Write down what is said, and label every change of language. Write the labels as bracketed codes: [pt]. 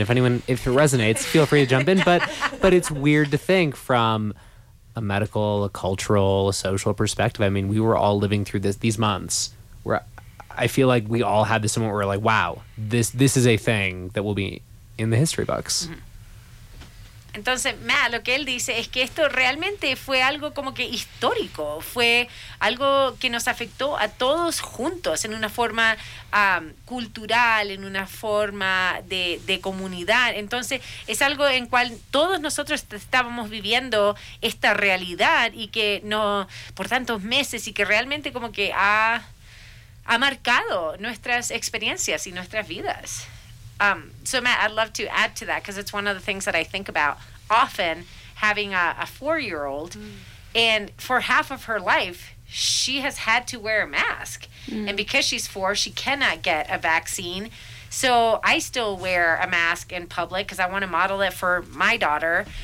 [en] If it resonates, feel free to jump in, but it's weird to think from a medical, a cultural, a social perspective. I mean, we were all living through these months where I feel like we all had this moment where we're like, wow, this is a thing that will be in the history books. Mm-hmm. [es] Entonces, Matt, lo que él dice es que esto realmente fue algo como que histórico, fue algo que nos afectó a todos juntos en una forma cultural, en una forma de comunidad. Entonces, es algo en cual todos nosotros estábamos viviendo esta realidad y que no, por tantos meses, y que realmente como que ha marcado nuestras experiencias y nuestras vidas. [en] So Matt, I'd love to add to that because it's one of the things that I think about often, having a 4-year-old, and for half of her life, she has had to wear a mask. Mm. And because she's 4, she cannot get a vaccine. So I still wear a mask in public because I want to model it for my daughter.